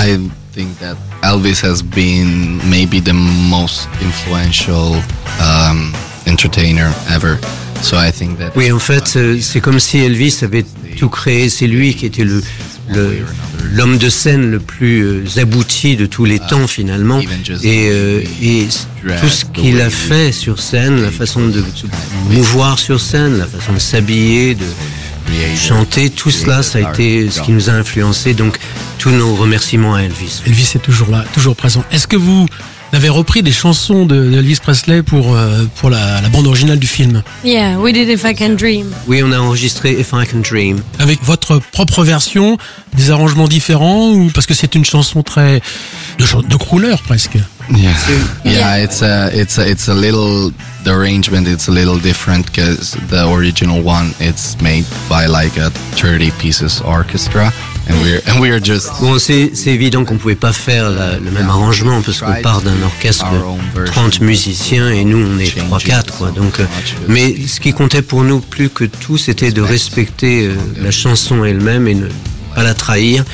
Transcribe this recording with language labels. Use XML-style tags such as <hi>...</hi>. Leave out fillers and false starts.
<en>I think that Elvis has been maybe the most influential entertainer ever. So I think that.</en> <fr>Oui, en fait, c'est comme si Elvis avait tout créé. C'est lui qui était l'homme de scène le plus abouti de tous les temps, finalement. Et tout ce qu'il a fait sur scène, la façon de se mouvoir sur scène, la façon de s'habiller, de chanter, tout cela, ça a été ce qui nous a influencé. Donc, tous nos remerciements à Elvis. Elvis est toujours là, toujours présent. Est-ce que vous avez repris des chansons d'Elvis Presley pour la bande originale du film?</fr> <en>Yeah, we did If I Can Dream.</en> <fr>Oui, on a enregistré If I Can Dream. Avec votre propre version, des arrangements différents, ou parce que c'est une chanson très de crooner presque?</fr> <en>Yeah, it's a little, the arrangement it's a little different because the original one it's made by like a 30 pieces orchestra. And we're just...</en> <fr>Bon, c'est évident qu'on ne pouvait pas faire le même arrangement parce qu'on part d'un orchestre de 30 musiciens et nous, on est 3-4. Mais ce qui comptait pour nous plus que tout, c'était de respecter la chanson elle-même et ne pas la trahir.</fr>